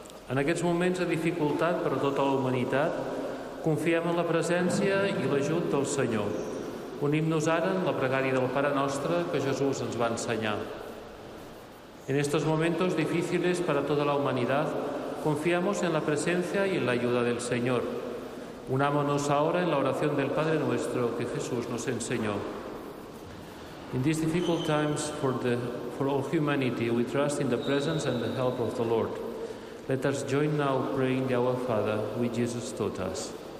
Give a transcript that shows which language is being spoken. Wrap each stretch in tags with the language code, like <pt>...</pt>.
<ca>En aquests moments de dificultat per a tota la humanitat, confiem en la presència i l'ajut del Senyor. Unim-nos ara en la pregària del Pare Nostre que Jesús ens va ensenyar.</ca> <es>En estos momentos difíciles para toda la humanidad, confiamos en la presencia y en la ayuda del Señor. Unámonos ahora en la oración del Padre Nuestro que Jesús nos enseñó.</es> <en>In these difficult times for all humanity, we trust in the presence and the help of the Lord. Let us join now praying the Our Father, which Jesus taught us.</en>